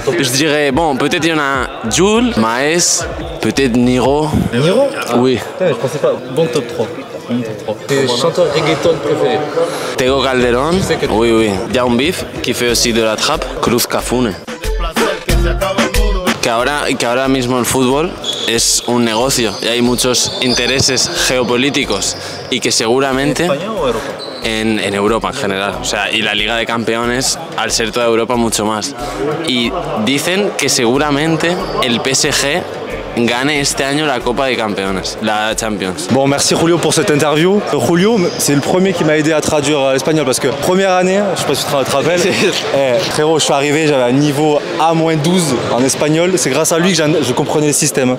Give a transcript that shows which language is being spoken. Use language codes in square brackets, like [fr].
[fr] top. Je dirais, bon, peut-être il y en a un, Jules, Maes, peut-être Niro. Niro ? Oui. Putain, je pensais pas, bon top 3. Tes chanteurs reggaeton préférés ? Tego Calderon, oui oui. Young Beef, qui fait aussi de la trap, Cruz Cafune. [es] Que ahora mismo el fútbol es un negocio y hay muchos intereses geopolíticos y que seguramente ¿en España o Europa? En Europa en general, o sea, y la Liga de Campeones al ser toda Europa mucho más. Y dicen que seguramente el PSG [fr] gagne [es] este año la Copa de Campeones, la Champions. [fr] Bon, merci Julio pour cette interview. Julio, c'est le premier qui m'a aidé à traduire l'espagnol parce que première année, je sais pas si tu te rappelles, frérot, je suis arrivé, j'avais un niveau A-12 en espagnol. C'est grâce à lui que je comprenais le système.